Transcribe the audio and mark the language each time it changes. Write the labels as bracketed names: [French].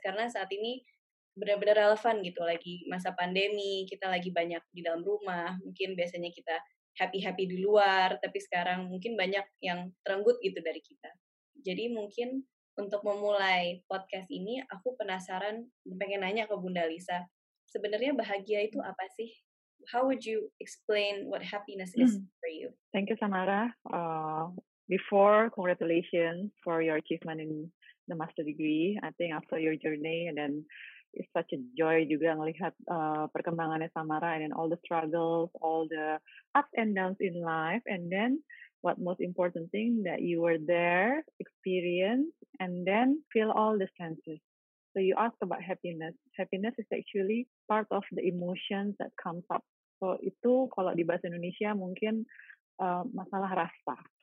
[Indonesian] Karena saat ini benar-benar relevan gitu. Lagi masa pandemi, kita lagi banyak di dalam rumah. Mungkin biasanya kita happy-happy di luar, tapi sekarang mungkin banyak yang terenggut gitu dari kita. Jadi mungkin untuk memulai podcast ini, aku penasaran, pengen nanya ke Bunda Lisa, sebenarnya bahagia itu apa sih? [English] How would you explain what happiness is for you? Thank you, Samara. Before, congratulations for your achievement in the master degree. I think after your journey, and then it's such a joy [Indonesian] juga ngelihat perkembangannya Samara, [English] and then all the struggles, all the ups and downs in life, and then what most important thing that you were there, experience, and then feel all the senses. So you ask about happiness. Happiness is actually part of the emotions that comes up. [Indonesian] So itu kalau di bahasa Indonesia mungkin masalah rasa.